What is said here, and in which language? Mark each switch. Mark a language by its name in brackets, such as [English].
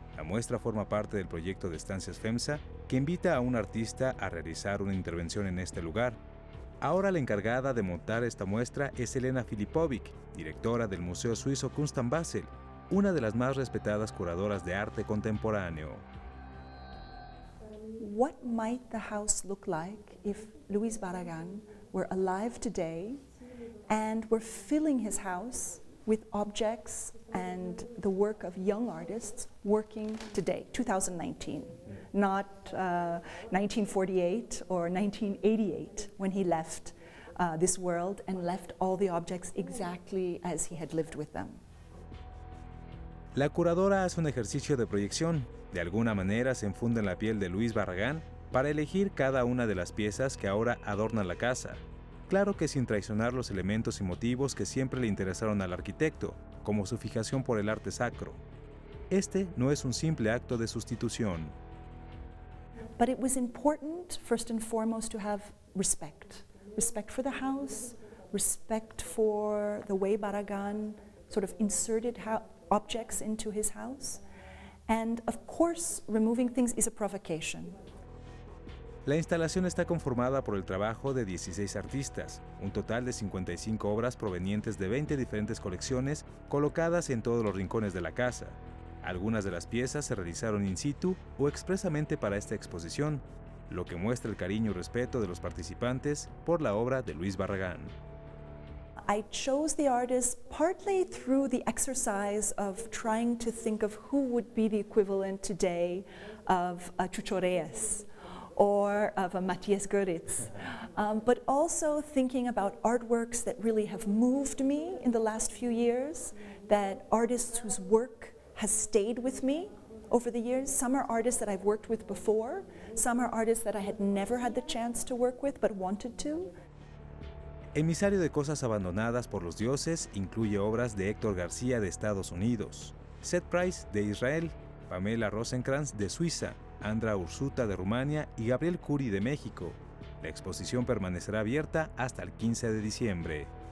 [Spanish] La muestra forma parte del proyecto de Estancias FEMSA, que invita a un artista a realizar una intervención en este lugar. Ahora la encargada de montar esta muestra es Elena Filipovic, directora del Museo Suizo Kunst am Basel, una de las más respetadas curadoras de arte contemporáneo. [English] What might the house look like if Luis Barragán were alive today? And we're filling his house with objects and the work of young artists working today, 2019, not 1948 or 1988 when he left this world and left all the objects exactly as he had lived with them. [Spanish] La curadora hace un ejercicio de proyección. De alguna manera se enfunde en la piel de Luis Barragán para elegir cada una de las piezas que ahora adornan la casa. Claro que sin traicionar los elementos y motivos que siempre le interesaron al arquitecto, como su fijación por el arte sacro. Este no es un simple acto de sustitución. [English] But it was important, first and foremost, to have respect. Respect for the house, respect for the way Barragán sort of inserted objects into his house. And of course, removing things is a provocation. [Spanish] La instalación está conformada por el trabajo de 16 artistas, un total de 55 obras provenientes de 20 diferentes colecciones colocadas en todos los rincones de la casa. Algunas de las piezas se realizaron in situ o expresamente para esta exposición, lo que muestra el cariño y respeto de los participantes por la obra de Luis Barragán. [English] I chose the artist partly through the exercise of trying to think of who would be the equivalent today of a Chucho Reyes or of a Matías Goeritz, but also thinking about artworks that really have moved me in the last few years, that artists whose work has stayed with me over the years. Some are artists that I've worked with before, some are artists that I had never had the chance to work with but wanted to. [Spanish] Emisario de cosas abandonadas por los dioses incluye obras de Héctor García de Estados Unidos, Seth Price de Israel, Pamela Rosenkranz de Suiza, Andra Ursuta de Rumania y Gabriel Curi de México. La exposición permanecerá abierta hasta el 15 de diciembre.